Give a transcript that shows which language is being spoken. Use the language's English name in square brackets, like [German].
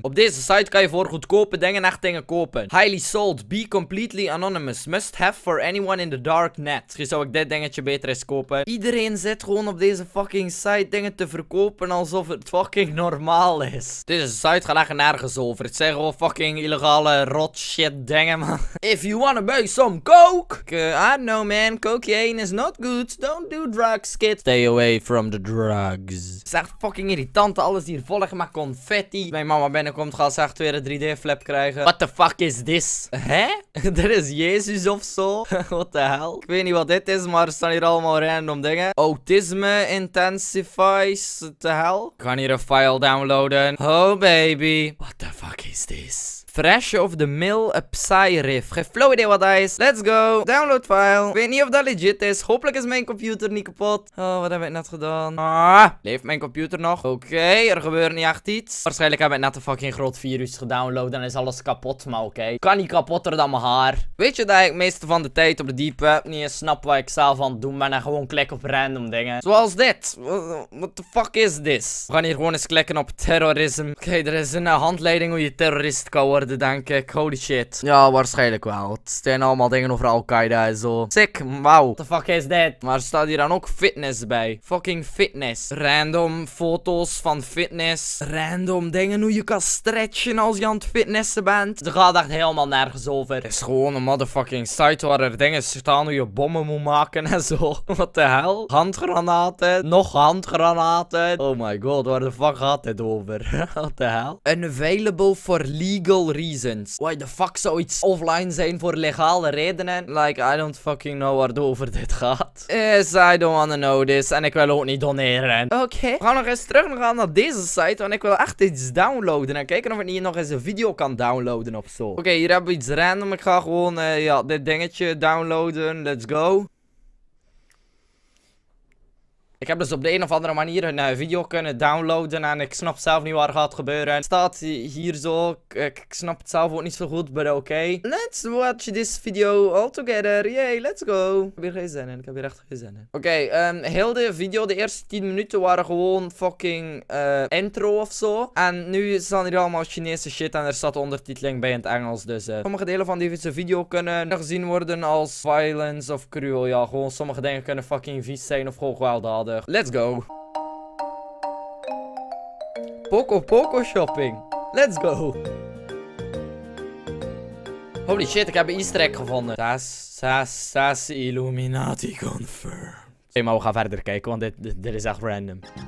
[Dutch] Op deze site kan je voor goedkope dingen echt dingen kopen. [English] Highly sold, be completely anonymous, must have for anyone in the dark net. [Dutch] Misschien zou ik dit dingetje beter eens kopen. Iedereen zit gewoon op deze fucking site dingen te verkopen alsof het fucking normaal is. Deze site gaat echt nergens over. Het zijn gewoon fucking illegale rot shit dingen, man. [English] If you wanna buy some coke! I don't know, man, cocaine is not good. Don't do drugs, kid. Stay away from the drugs. [Dutch] Het is echt fucking irritant. Alles hier volg met confetti. Als mijn mama binnenkomt, gaat ze echt weer een 3D flip krijgen. [English] What the fuck is this? Hè? [Dutch] Dit is Jezus of zo? [English] What the hell? [Dutch] Ik weet niet wat dit is, maar er staan hier allemaal random dingen. Autisme intensifies. What the hell? Ik ga hier een file downloaden. [English] Oh baby. What the fuck is this? Fresh of the mill, a psy riff. [Dutch] Geen flow idee wat dat is. [English] Let's go. Download file. [Dutch] Ik weet niet of dat legit is. Hopelijk is mijn computer niet kapot. Oh, wat heb ik net gedaan? Ah, leeft mijn computer nog? Oké, er gebeurt niet echt iets. Waarschijnlijk heb ik net een fucking groot virus gedownload. Dan is alles kapot, maar oké. Kan niet kapotter dan mijn haar. Weet je dat ik meeste van de tijd op de deep web niet eens snap wat ik zelf aan het doen ben. En gewoon klik op random dingen. Zoals dit. [English] What the fuck is this? [Dutch] We gaan hier gewoon eens klikken op terrorisme. Oké, er is een handleiding hoe je terrorist kan worden. Denk ik, holy shit. Ja, waarschijnlijk wel. Het zijn allemaal dingen over Al-Qaeda en zo. Sick, wauw. [English] What the fuck [Dutch] is dit? Maar er staat hier dan ook fitness bij. Fucking fitness. Random foto's van fitness. Random dingen hoe je kan stretchen als je aan het fitnessen bent. Er gaat echt helemaal nergens over. Het is gewoon een motherfucking site waar er dingen staan hoe je bommen moet maken en zo. [English] What the hell? [Dutch] Handgranaten. Nog handgranaten. [English] Oh my god, [Dutch] waar de fuck gaat dit over? [English] What the hell? Unavailable for legal reasons. Why the fuck [Dutch] zou iets offline zijn voor legale redenen? [English] Like, I don't fucking know [Dutch] waarover dit gaat. [English] Yes, I don't wanna know this. [Dutch] En ik wil ook niet doneren. Oké. We gaan nog eens terug gaan naar deze site, want ik wil echt iets downloaden. En kijken of ik niet nog eens een video kan downloaden of zo. Oké, hier hebben we iets random. Ik ga gewoon ja, dit dingetje downloaden. [English] Let's go. [Dutch] Ik heb dus op de een of andere manier een video kunnen downloaden. En ik snap zelf niet waar het gaat gebeuren. Het staat hier zo. Ik snap het zelf ook niet zo goed, maar oké. [English] Let's watch this video all together. Yay, let's go. [Dutch] Ik heb hier geen zin in. Ik heb hier echt geen zin in. Oké, heel de video, de eerste 10 minuten waren gewoon fucking intro of zo. En nu staan hier allemaal Chinese shit. En er staat ondertiteling bij in het Engels. Dus sommige delen van deze video kunnen gezien worden als violence of cruel. Ja, gewoon sommige dingen kunnen fucking vies zijn of gewoon gewelddadig. [English] Let's go. Poco Poco shopping. Let's go. [Dutch] Holy shit, ik heb een easter egg gevonden. Sas Illuminati confirmed. Oké, maar we gaan verder kijken, want dit is echt random.